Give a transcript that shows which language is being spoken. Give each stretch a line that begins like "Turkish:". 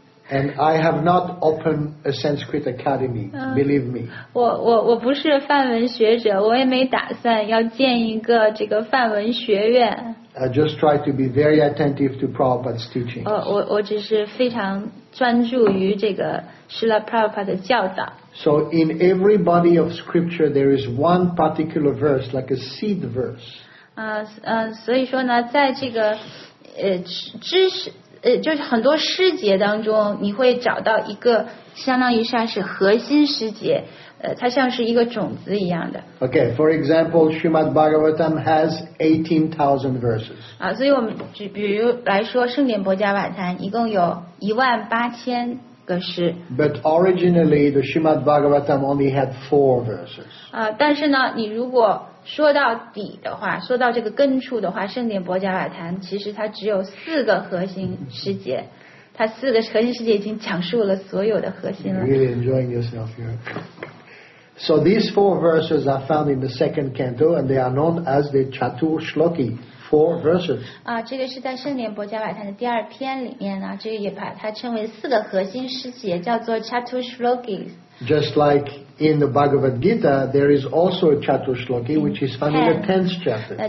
English: And I have not opened a Sanskrit academy, believe me.
Chinese: 我不是梵文学者，我也没打算要建一个这个梵文学院。
English: I just try to be very attentive to Prabhupada's teachings.
Chinese: 我只是非常专注于这个Srila Prabhupada的教导。
English: So in every body of scripture, there is one particular verse, like a seed verse.
Chinese: 所以说呢，在这个知识就是很多诗节当中，你会找到一个相当于算是核心诗节，它像是一个种子一样的。
English: Okay, for example, Srimad Bhagavatam has 18,000 verses.
Chinese: 所以我们比如来说，圣典婆伽瓦坛一共有18,000。
English: But originally, the Srimad Bhagavatam only had 4 verses.
Chinese: 但是呢，你如果说到底的话，说到这个根处的话，圣典婆伽瓦坛其实它只有四个核心诗节，它四个核心诗节已经讲述了所有的核心了。
English: Really enjoying yourself here. So these 4 verses are found in the second canto, and they are known as the Chatur Shloki. 4 verses.
Chinese: 这个是在圣典婆伽瓦坛的第二篇里面呢，这个也把它称为四个核心诗节，叫做 Chatur Shloki.
English: Just like in the Bhagavad Gita, there is also a Chatur Shloki, which is found in the 10th chapter.